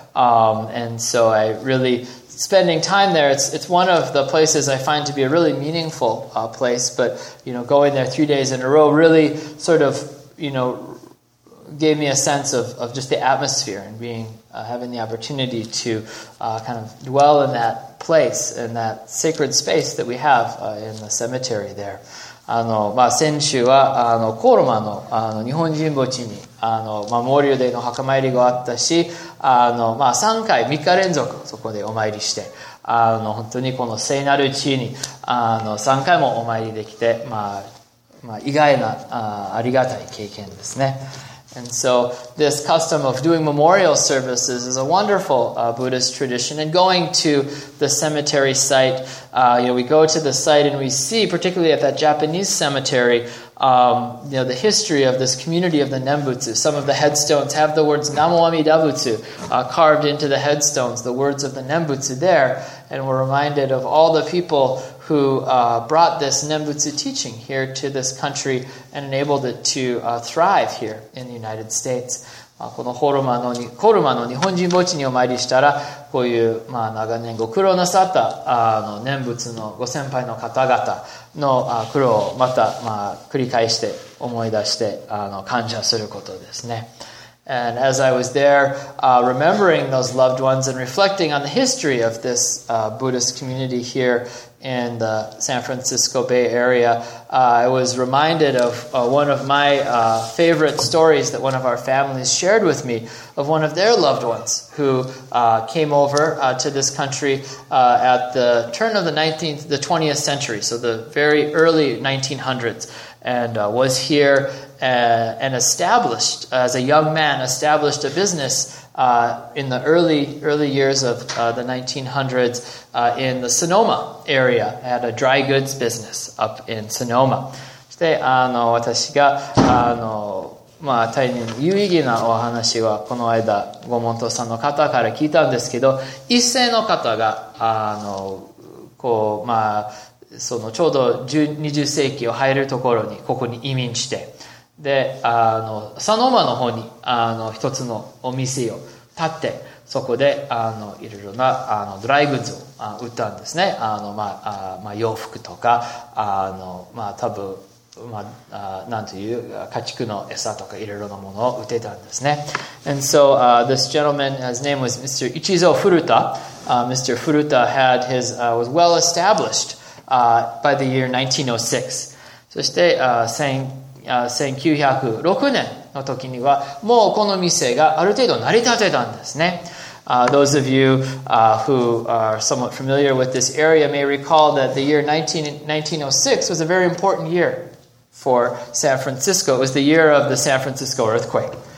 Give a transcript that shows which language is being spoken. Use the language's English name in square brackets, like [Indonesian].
[English] And so I really, spending time there, it's one of the places I find to be a really meaningful place, but, you know, going there 3 days in a row really sort of, you know, gave me a sense of just the atmosphere and being having the opportunity to kind of dwell in that place and that sacred space that we have in the cemetery there. [Japanese] 先週はコロマ の, 日本人墓地にマモリオデの墓参りがあったし3回3日連続そこでお参りして本当にこの聖なる地に3回もお参りできて意外なありがたい経験ですね。 [English] And so this custom of doing memorial services is a wonderful Buddhist tradition. And going to the cemetery site, you know, we go to the site and we see, particularly at that Japanese cemetery, you know, the history of this community of the Nembutsu. Some of the headstones have the words Namo Amida Butsu carved into the headstones, the words of the Nembutsu there. And we're reminded of all the people who brought this Nembutsu teaching here to this country and enabled it to thrive here in the United States. [Japanese] このコルマの日本人墓地にお参りしたら、こういう長年ご苦労なさった念仏のご先輩の方々の苦労をまた繰り返して思い出して感謝することですね。 [English] And as I was there, remembering those loved ones and reflecting on the history of this Buddhist community here in the San Francisco Bay Area, I was reminded of one of my favorite stories that one of our families shared with me of one of their loved ones who came over to this country at the turn of the 20th century, so the very early 1900s, and was here and established, as a young man, established a business in the early years of the 1900s in the Sonoma area. I had a dry goods business up in Sonoma. [Japanese] そして私が、まあ、大変有意義なお話はこの間ご門徒さんの方から聞いたんですけど、一世の方がこう、まあ、そのちょうど20世紀を入るところにここに移民して、でサノマの方に一つのお店を建って、そこでいろいろなドライグッズを売ったんですね。まあ、洋服とか、まあ、多分まあ、なんという家畜の餌とかいろいろなものを売ってたんですね。 [English] And so、this gentleman, his name was Mr. Ichizo Furuta. Mr. Furuta had his, was well established、by the year 1906. [Japanese] そして、1906年の時にはもうこの店がある程度成り立てたんですね。 [English] Those of you who are somewhat familiar with this area may recall that the year 1906 was a very important yearFor San Francisco, it was the year of the San Francisco earthquake.